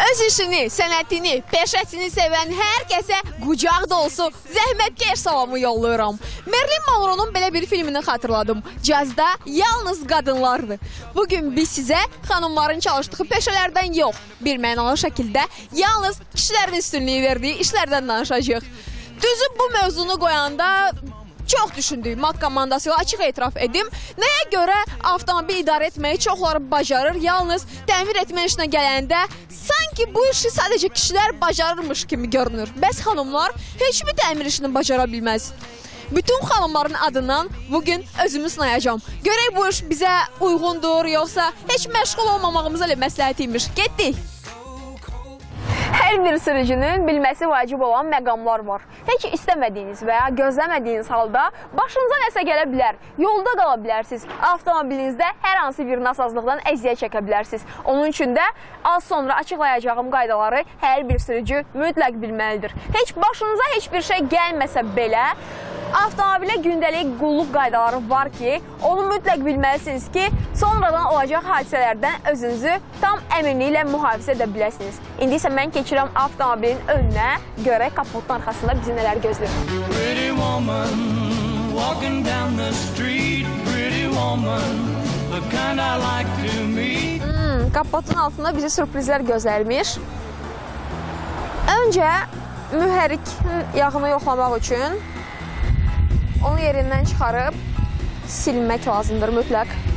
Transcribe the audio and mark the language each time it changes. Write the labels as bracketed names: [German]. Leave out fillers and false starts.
[Azerbaijani] işini, sənətini, peşəsini sevən hər kəsə qucaq dolusu zəhmətkeş salamı yollayıram. Marilyn Monroe'nun belə bir filmini xatırladım. Cazda yalnız qadınlardır. Bugün biz sizə xanımların çalışdığı peşələrdən yox, bir mənalı şəkildə yalnız kişilərin üstünlüyü verdiyi işlərdən danışacaq. Düzü bu mövzunu qoyanda çox düşündük. Mat komandası ilə açıq etiraf edim. Nəyə görə avtomobil idarə etməyi çoxları bacarır, yalnız təmir etmə işinə gələndə sanki bu işi sadəcə kişilər bacarırmış kimi görünür. Bəs xanımlar heç bir təmir işini bacara bilməz. Bütün xanımların adından bugün özümü sınayacağım. Görək bu iş bizə uyğundur, yoxsa heç məşğul olmamağımız elə məsləhət imiş. Getdik. Hər bir sürücünün bilməsi vacib olan məqamlar var. Heç istəmədiyiniz və ya gözləmədiyiniz halda başınıza nəsə gələ bilər, yolda qala bilərsiniz, avtomobilinizdə hər hansı bir nasazlıqdan əziyyət çəkə bilərsiniz. Onun üçün də az sonra açıqlayacağım qaydaları hər bir sürücü mütləq bilməlidir. Heç başınıza heç bir şey gəlməsə belə, avtomobilə gündəlik qulluq qaydaları var ki, onu mütləq bilməlisiniz ki, sonradan olacaq hadisələrdən özünüzü tam əminliklə mühafizə edə biləsiniz. İndi isə mən keçirəm avtomobilin önünə, görək kaputun arxasında bizi nələr gözləyir. [English] Pretty woman, walking down the street, pretty woman, the kind I like to meet. [Azerbaijani] Kaputun altında bizi sürprizlər gözləyirmiş. Öncə mühərik yağını yoxlamaq üçün onu yerindən çıxarıb silmək lazımdır mütləq.